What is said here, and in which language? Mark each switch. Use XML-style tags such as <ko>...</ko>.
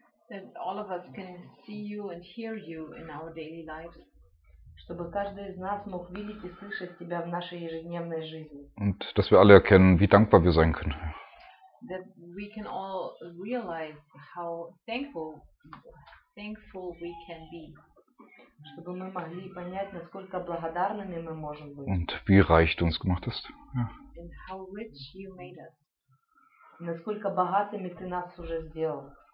<en>That all of us can see you and hear you in our daily lives.</en> <ru>Чтобы каждый из нас мог видеть и слышать тебя в нашей ежедневной жизни.</ru> <de>Und dass wir alle erkennen, wie dankbar wir sein können.</de> <en>That we can all realize how thankful we can be.</en> <ru>Чтобы мы могли понять, насколько благодарными мы можем быть.</ru> <de>Und wie reich du uns gemacht hast.</de> <en>Ja. And how rich you made us.</en> <ru>Насколько богатыми ты нас уже сделал.</ru>